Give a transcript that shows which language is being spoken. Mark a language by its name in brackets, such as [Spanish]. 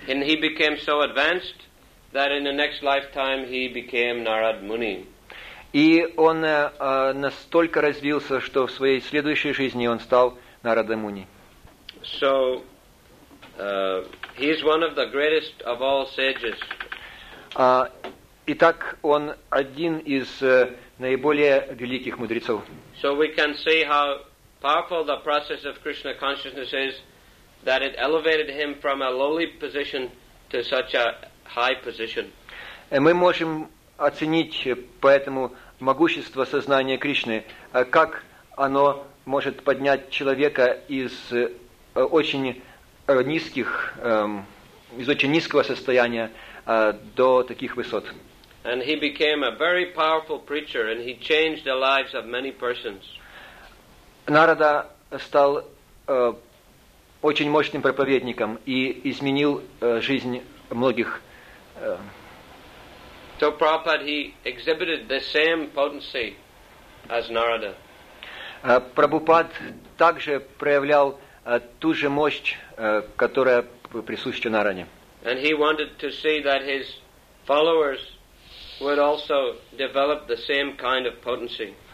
[English] And he became so advanced that in the next lifetime he became Narada Muni. [Russian] И он настолько развился, что в своей следующей жизни он стал Narada Muni. [English] So he is one of the greatest of all sages. [Russian] Итак, он один из наиболее великих мудрецов. [English] So we can see how powerful the process of Krishna consciousness is, that it elevated him from a lowly position to such a high position. [Russian] Мы можем оценить поэтому могущество сознания Кришны, как оно может поднять человека из очень низких, из очень низкого состояния до таких высот. [English] And he became a very powerful preacher, and he changed the lives of many persons. [Russian] Narada стал очень мощным проповедником и изменил жизнь многих. [English] So Prabhupada, he exhibited the same potency as Narada. [Russian] Prabhupada также проявлял ту же мощь, которая присуща Нараде. [English] And he wanted to see that his followers would also develop the same kind of potency.